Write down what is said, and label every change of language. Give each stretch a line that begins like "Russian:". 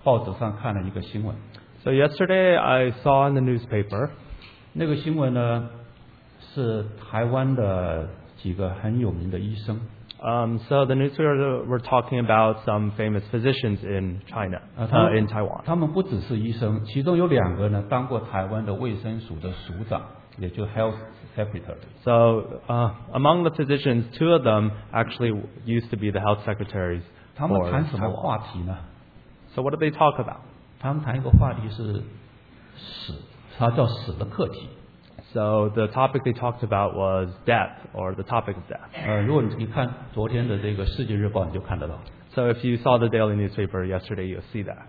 Chinese: 昨天我在报纸上看了一个新闻。
English: So yesterday I saw in the newspaper.
Chinese: 那个新闻呢, 是台湾的几个很有名的医生。
English: So the newspaper were talking about some famous physicians in China,
Chinese: 他们,
English: in Taiwan.
Chinese: 他们不只是医生, 其中有两个呢, 当过台湾的卫生署的署长, 也就
English: health secretary. So among the physicians, two of them actually used to be the health secretaries.
Chinese: 他们谈什么话题呢?
English: So what did they talk about?
Chinese: 他们谈一个话题是死, 它叫死的课题。
English: So the topic they talked about was death, or the topic of death.
Chinese: 如果你看昨天的这个世界日报，你就看得到。
English: So if you saw the daily newspaper yesterday, you'll see that.